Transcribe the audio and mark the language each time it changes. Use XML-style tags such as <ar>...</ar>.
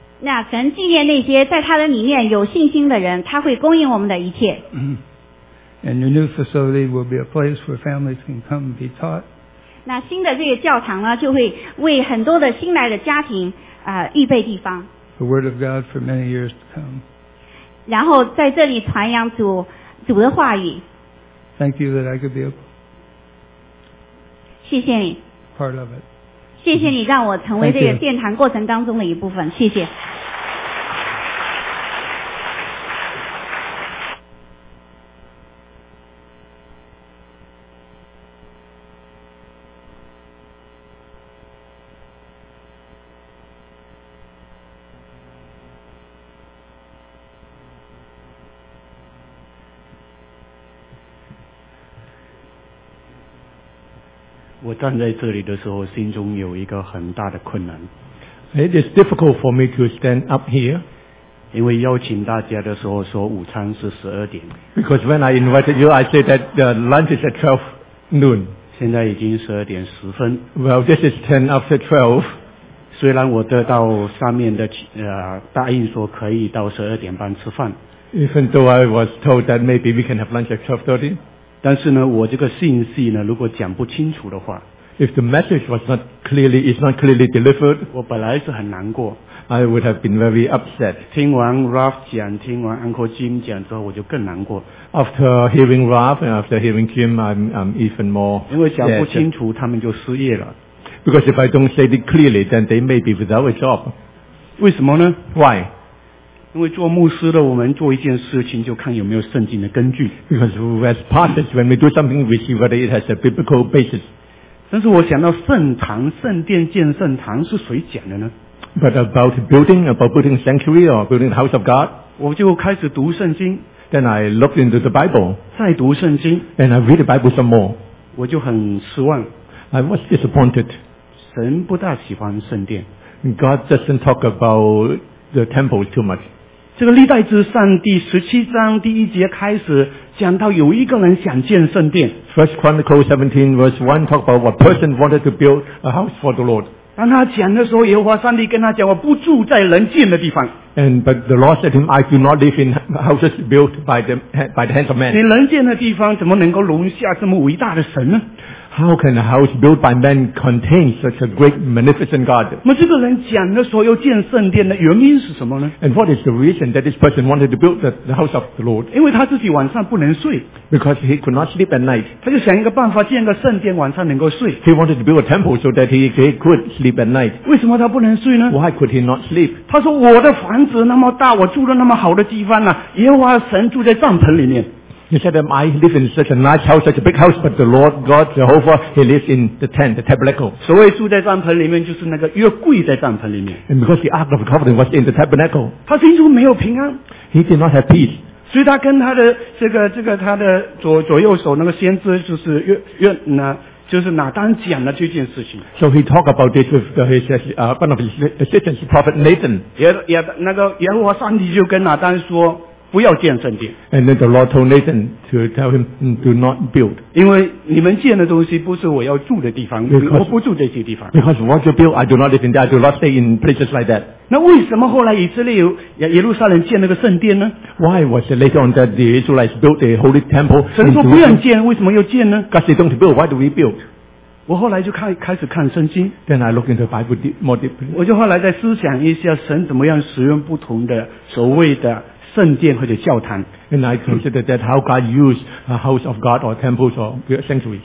<zh>那神纪念那些在他的里面有信心的人，他会供应我们的一切。</zh> <en>And your new facility will be a place where families can come and be taught.</en> <zh>那新的这个教堂呢，就会为很多的新来的家庭预备地方。</zh> <en>The word of God for many years to come.</en> <zh>然后在这里传扬主的话语。</zh> <en>Thank you that I could be a part of it.</en> <zh>谢谢你让我成为这个殿堂过程当中的一部分。谢谢。我站在这里的时候，心中有一个很大的困难。</zh> <en>It is difficult for me to stand up here.</en> <zh>因为邀请大家的时候说午餐是12点。</zh> <en>Because when I invited you, I said that the lunch is at 12 noon.</en> <zh>现在已经12点10分。</zh> <en>Well, this is 10 after 12.</en> <zh>虽然我得到上面的答应说可以到12点半吃饭。</zh> <en>Even though I was told that maybe we can have lunch at 12:30.</en> <zh>但是呢，我这个信息呢，如果讲不清楚的话</zh> <en>，If the message was not clearly is not clearly delivered，</en> <zh>我本来是很难过</zh> <en>，I would have been very upset。</en> <zh>听完 Ralph 讲，听完 Uncle Jim 讲之后，我就更难过。</zh> <en>After hearing Ralph and after hearing Jim, I'm even more sad。</en> <zh>因为讲不清楚，他们就失业了。</zh> <en>Because if I don't say it clearly, then they may be without a job。</en> <zh>为什么呢</zh> <en>？Why？</en> <zh>因为做牧师的我们做一件事情就看有没有圣经的根据。</zh> <en>Because as pastors, when we do something, we see whether it has a biblical basis.</en> <zh>但是我想到圣堂、圣殿建圣堂是谁讲的呢</zh> <en>？But about building sanctuary or building the house of God.</en> <zh>我就开始读圣经。</zh> <en>Then I looked into the Bible.</en> <zh>再读圣经。</zh> <en>And I read the Bible some more.</en> <zh>我就很失望。</zh> <en>I was disappointed.</en> <zh>神不大喜欢圣殿。</zh> <en>God doesn't talk about. The temple too much.</en> <zh>这个历代志上第17章第一节开始讲到有一个人想建圣殿。</zh> <en>First Chronicles 17 verse 1 talk about what person wanted to build a house for the Lord.</en> <zh>当他讲的时候，耶和华上帝跟他讲，我不住在人建的地方。</zh> <en>And but the Lord said to him, I do not live in houses built by the hands of man.</en> <zh>你人建的地方怎么能够容下这么伟大的神呢？</zh> <en>How can a house built by men contain such a great magnificent God?</en> <zh>那这个人讲的时候要建圣殿的原因是什么呢</zh> <en>？And what is the reason that this person wanted to build the house of the Lord?</en> <zh>因为他自己晚上不能睡。</zh> <en>Because he could not sleep at night.</en> <zh>他就想一个办法建个圣殿，晚上能够睡。</zh> <en>He wanted to build a temple so that he could sleep at night.</en> <zh>为什么他不能睡呢</zh> <en>？Why could he not sleep?</en> <zh>他说我的房子那么大，我住了那么好的地方呢、啊，耶和华神住在帐篷里面。</zh> <en>He said, I live in such a nice house, such a big house, but the Lord God, Jehovah, He lives in the tent, the tabernacle.</en> <zh>所谓住在帐篷里面就是那个约柜在帐篷里面。</zh> <en>And because the Ark of the Covenant was in the tabernacle.</en> <zh>他心中没有平安。</zh> <en>He did not have peace.</en> <zh>所以他跟他的这个他的左右手那个先知就是就是拿单讲了这件事情。</zh> <en>So he talked about this with one of his assistants, Prophet Nathan.</en> <zh>也那个耶和华上帝就跟拿单说不要建圣殿。</zh> <en>And then the Lord told Nathan to tell him, do not build.</en> <zh>因为你们建的东西不是我要住的地方</zh> <en>because,</en> <zh>我不住这些地方。</zh> <en>Because what you build, I do not live in that, I do not stay in places like that.</en> <zh>那为什么后来以色列耶路撒冷建那个圣殿呢</zh> <en>?Why was it later on that the Israelites built a holy temple?</en> <zh>神说不要建为什么要建呢</zh> <en>?Because they don't build, why do we build?</en> <zh>我后来就开始看圣经。</zh> <en>Then I look into the Bible more deeply.</en> <zh>我就后来再思想一下神怎么样使用不同的所谓的圣殿或者教堂</zh> <en>，and I consider that how God used a house of God or temples or sanctuary.</en>